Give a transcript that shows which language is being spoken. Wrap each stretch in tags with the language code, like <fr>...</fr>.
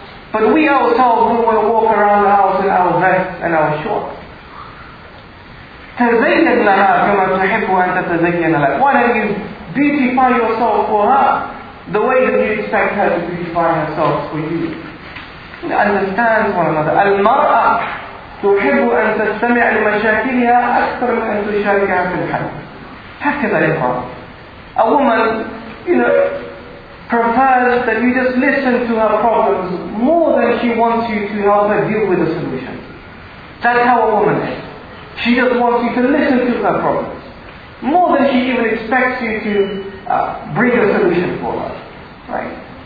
<en>But we ourselves don't want to walk around the house in our vests and our shorts.</en> <ar>تَزَيَّنْ لَهَا كَمَا تُحِبُّ أَن تَتَزَيَّنَ لَكَ.</ar> <en>Why don't you beautify yourself for her the way that you expect her to beautify herself for you? Understands one another.</en> <ar>المرأة تحب أن تستمع لمشاكلها أكثر من أن تشاركها في الحل. هكذا يقال.</ar> <en>A woman, you know, prefers that you just listen to her problems more than she wants you to help her deal with the solution. That's how a woman is. She just wants you to listen to her problems more than she even expects you to bring a solution for her. Right?</en>